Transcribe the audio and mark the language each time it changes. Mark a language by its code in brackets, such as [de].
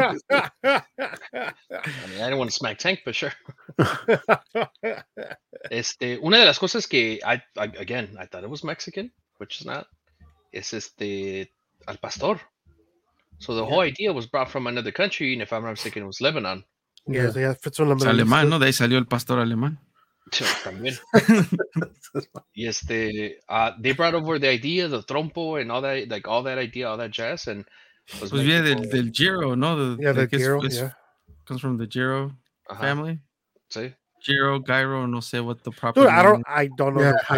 [en] No, I mean, I don't want to smack tank, but sure. [es] una de las cosas que, I thought it was Mexican, which is not, es al pastor. [en] So the whole idea was brought from another country, and if I'm not mistaken, it was Lebanon. Yeah, [es] es alemán, ¿no? De ahí salió el pastor alemán. También. [en] Y they brought over the idea, the trompo, and all that, like all that idea, all that jazz, and [es] was pues bien, del Giro, ¿no? [en] The Giro comes from the Giro family. [es] Sí. [en] Giro, Gyro, no sé what the proper. Dude, I don't know.